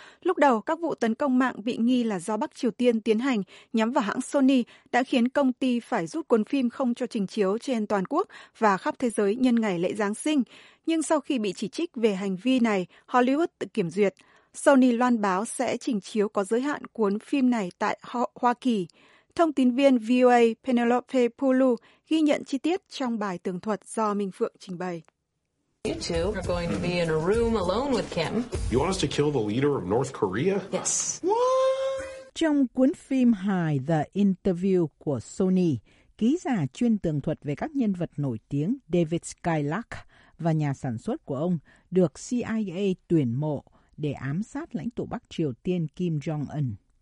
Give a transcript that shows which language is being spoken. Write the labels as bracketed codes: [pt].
[vi] Lúc đầu, các vụ tấn công mạng bị nghi là do Bắc Triều Tiên tiến hành nhắm vào hãng Sony đã khiến công ty phải rút cuốn phim không cho trình chiếu trên toàn quốc và khắp thế giới nhân ngày lễ Giáng sinh. Nhưng sau khi bị chỉ trích về hành vi này, Hollywood tự kiểm duyệt. Sony loan báo sẽ trình chiếu có giới hạn cuốn phim này tại Hoa Kỳ. Thông tín viên VOA Penelope Pulu ghi nhận chi tiết trong bài tường thuật do Minh Phượng trình bày. [en] You two are going to be in a room alone with Kim. You want us to kill the leader of North Korea? Yes. What? [vi] Trong cuốn phim hài The Interview của Sony, ký giả chuyên tường thuật về các nhân vật nổi tiếng David Skylark và nhà sản xuất của ông được CIA tuyển mộ để ám sát lãnh tụ Bắc Triều Tiên Kim Jong-un.